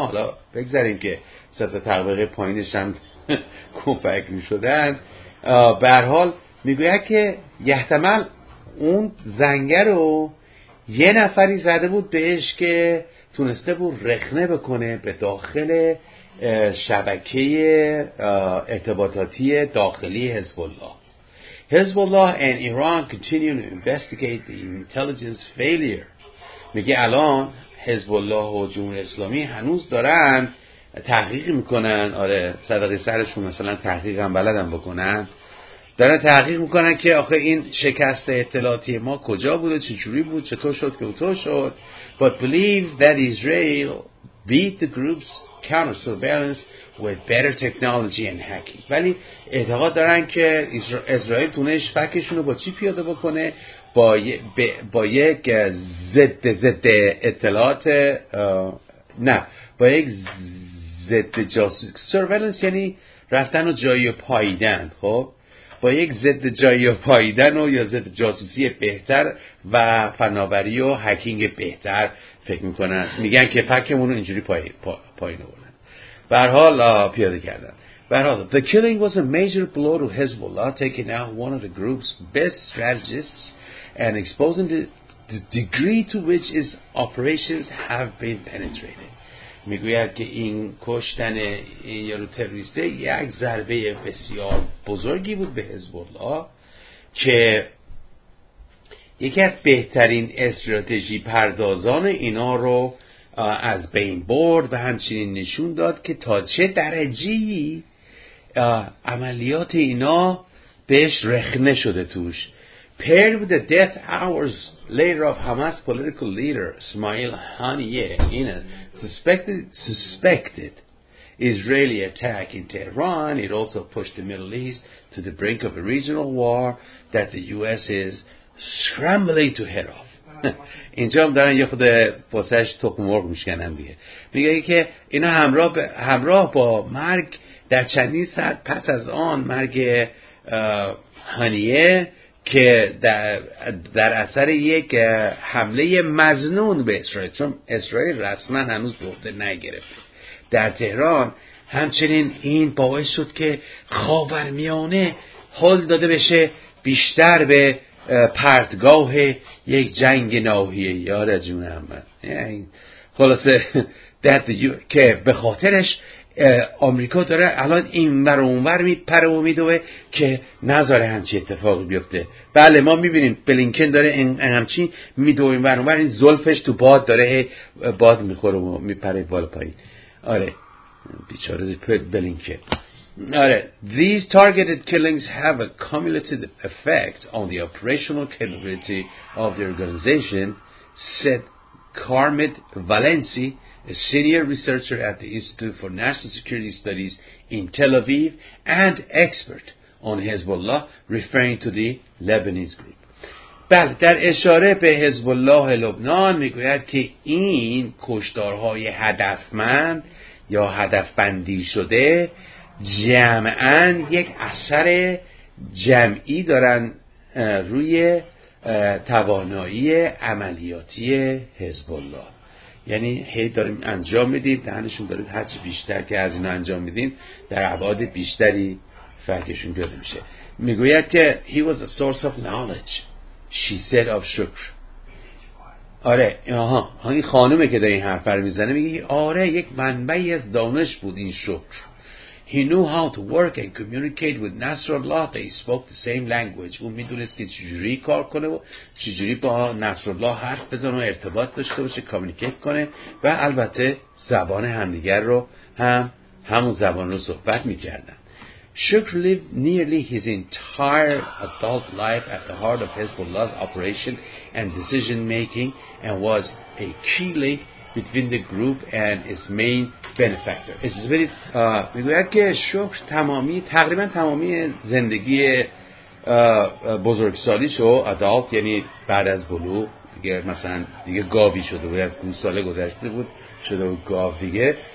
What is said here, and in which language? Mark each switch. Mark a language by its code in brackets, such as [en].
[fa] حالا بگذاریم که سطح طبقه پایینش هم کنفک میشدن، به هر حال میگوید که احتمال اون زنگه رو یه نفری زده بود بهش که تونسته بود رخنه بکنه به داخل شبکه ارتباطاتی داخلی حزب الله. [en] حزب الله and Iran continue to investigate the intelligence failure. [fa] میگه الان حزب الله و جمهوری اسلامی هنوز دارن تحقیق میکنن، آره صدقه سرشون مثلا تحقیق هم بلدن بکنن، دارن تحقیق میکنن که آخه این شکست اطلاعاتی ما کجا بوده، چجوری بود، چطور شد که اونطور شد. [en] But believe that Israel beat the group's counter-surveillance with better technology and hacking. [fa] ولی اعتقاد دارن که اسرائیل تونست فکشون رو با چی پیاده بکنه؟ با یک ضد جاسوسی. surveillance یعنی رفتن و جایی و پاییدن، خب با یک ضد جایی و پاییدن و یا ضد جاسوسی بهتر و فناوری و هکینگ بهتر فکر میکنن، میگن که فکمون رو اینجوری پایین آوردن. به هر حال پیاده کردن. به هر حال [en] the killing was a major blow to Hezbollah, taking out one of the group's best strategists and exposing the degree to which its operations have been penetrated. [fa] میگوید که این کشتن این یارو تروریسته یک ضربه بسیار بزرگی بود به حزب الله که یکی از بهترین استراتژی پردازان اینا رو از بین برد و همچنین نشون داد که تا چه درجه عملیات اینا بهش رخنه شده توش. [en] Paired with the death hours later of Hamas political leader Ismail Haniyeh in a suspected Israeli attack in Tehran, it also pushed the Middle East to the brink of a regional war that the U.S. is scrambling to head off. [fa] اینجا هم دارن یه خود پاسش تخم مرغ میشکنن دیگه. میگه که اینا همراه با مرگ در چندین ساعت پس از آن، مرگ هانیه که در اثر یک حمله مزنون به اسرائیل، چون اسرائیل رسما هنوز به عهده نگرفت در تهران، همچنین این باعث شد که خاورمیانه هل داده بشه بیشتر به پرتگاه یک جنگ ناحیه یار جونم من. خلاصه در که به خاطرش آمریکا داره الان این ور اونور میپره و میدوه که نذاره همچی اتفاقی بیفته. بله ما میبینیم بلینکن داره همچی میدوه این ور اونور، این زلفش تو باد داره باد میخوره و میپره بالا پایین. آره بیچاره بلینکن. [en] آره these targeted killings have a cumulative effect on the operational capability of the organization, said Carmit Valenci, a senior researcher at the Institute for National Security Studies in Tel Aviv and expert on Hezbollah, referring to the Lebanese group. [fa] بله در اشاره به حزب الله لبنان میگوید که این کشتارهای هدفمند یا هدفبندی شده جمعاً یک اثر جمعی دارن روی توانایی عملیاتی حزب الله. یعنی هی داریم انجام میدیم، دهنشون داره هرچی بیشتر که از این انجام میدیم در ابعاد بیشتری فرقشون گرده میشه. میگوید که [en] he was a source of knowledge, she said of Shukr. [fa] آره آها این خانومه که داری این حرف رو میزنه، میگه آره یک منبعی از دانش بود این شکر. [en] He knew how to work and communicate with Nasrallah. They spoke the same language. [fa] اون میدونست که چجوری کار کنه و چجوری با نصرالله حرف بزنه و ارتباط داشته باشه، کامیونیکیت کنه و البته زبان همدیگر رو هم همون زبان رو صحبت می‌کردن. [en] Shook lived nearly his entire adult life at the heart of Hezbollah's operation and decision making, and was a key link between the group and its main benefactor. It is very [fa] میگوید که شوک تمامی تقریبا تمامی زندگی بزرگسالیش و ادالت، یعنی بعد از بلوغ دیگه مثلا دیگه گاوی شده بود، از 9 ساله گذشته بود شده و گاو دیگه،